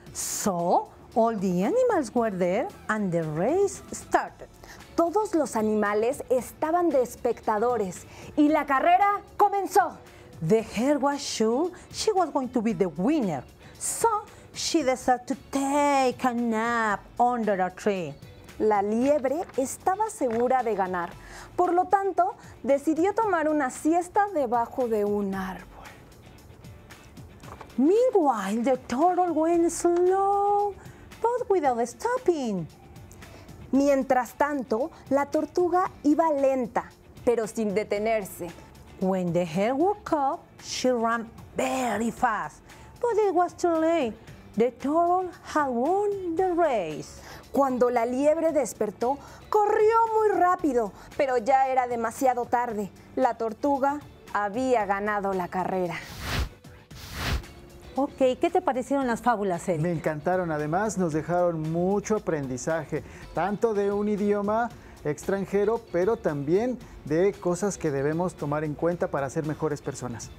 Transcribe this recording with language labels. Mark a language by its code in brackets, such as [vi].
[en] So, all the animals were there and the race started. [es] Todos los animales estaban de espectadores y la carrera comenzó. [en] The hare was sure she was going to be the winner. So, she decided to take a nap under a tree. [es] La liebre estaba segura de ganar. Por lo tanto, decidió tomar una siesta debajo de un árbol. [en] Meanwhile, the turtle went slow, but without stopping. [es] Mientras tanto, la tortuga iba lenta, pero sin detenerse. [en] When the hare woke up, she ran very fast, but it was too late. The turtle had won the race. [es] Cuando la liebre despertó, corrió muy rápido, pero ya era demasiado tarde. La tortuga había ganado la carrera. Ok, ¿qué te parecieron las fábulas, Eric? Me encantaron. Además, nos dejaron mucho aprendizaje, tanto de un idioma extranjero, pero también de cosas que debemos tomar en cuenta para ser mejores personas.